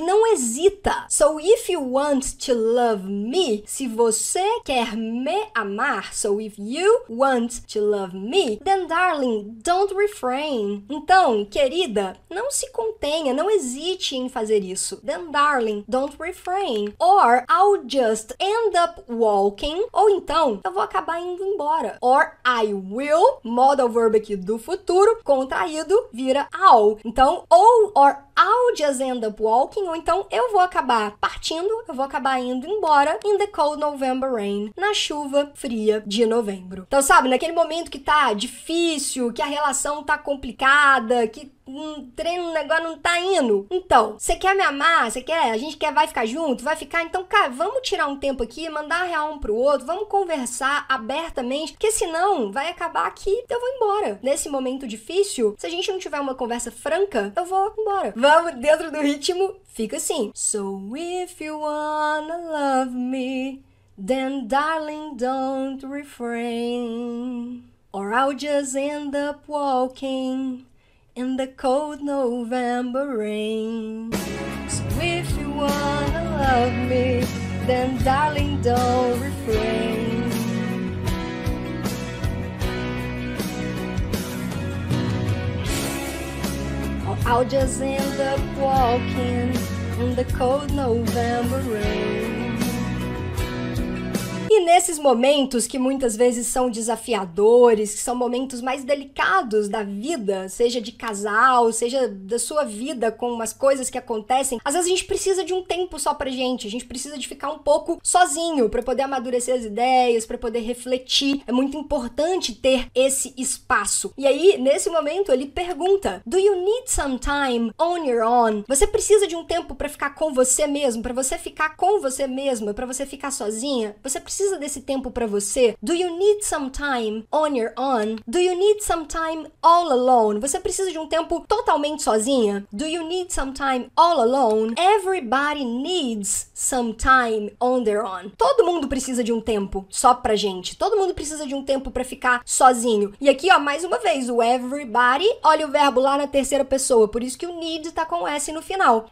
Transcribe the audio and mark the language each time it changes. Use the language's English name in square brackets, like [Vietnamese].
[Portuguese] Não hesita. [English] So if you want to love me, [Portuguese] se você quer me amar, [English] so if you want to love me, then darling, don't refrain. [Portuguese] Então, querida, não se contenha, não hesite em fazer isso. [English] Then darling, don't refrain. Or I'll just end up walking. [Portuguese] Ou então, eu vou acabar indo embora. [English] Or I will, [Portuguese] modal verbo aqui do futuro, contraído, vira I'll. Então, ou [English] or I'll just end up walking, [Portuguese] ou então eu vou acabar partindo, eu vou acabar indo embora, [English] in the cold November rain, [Portuguese] na chuva fria de novembro. Então, sabe, naquele momento que tá difícil, que a relação tá complicada, que treino, negócio não tá indo. Então, você quer me amar? Você quer? A gente quer, vai ficar junto? Vai ficar? Então, cara, vamos tirar um tempo aqui, mandar a real um pro outro, vamos conversar abertamente, porque senão vai acabar que eu vou embora. Nesse momento difícil, se a gente não tiver uma conversa franca, eu vou embora. Vamos dentro do ritmo? Fica assim. [English] So if you wanna love me, then darling don't refrain, or I'll just end up walking in the cold November rain. So if you wanna love me, then darling don't refrain, I'll just end up walking in the cold November rain. [Portuguese] E nesses momentos que muitas vezes são desafiadores, que são momentos mais delicados da vida, seja de casal, seja da sua vida com umas coisas que acontecem, às vezes a gente precisa de um tempo só pra gente, a gente precisa de ficar um pouco sozinho pra poder amadurecer as ideias, pra poder refletir. É muito importante ter esse espaço. E aí, nesse momento, ele pergunta: [English] Do you need some time on your own? [Portuguese] Você precisa de um tempo pra ficar com você mesmo, pra você ficar com você mesma, pra você ficar sozinha? Você precisa desse tempo pra você? [English] Do you need some time on your own? Do you need some time all alone? [Portuguese] Você precisa de um tempo totalmente sozinha? [English] Do you need some time all alone? Everybody needs some time on their own. [Portuguese] Todo mundo precisa de um tempo só pra gente. Todo mundo precisa de um tempo pra ficar sozinho. E aqui, ó, mais uma vez, o everybody, olha o verbo lá na terceira pessoa, por isso que o need tá com S no final.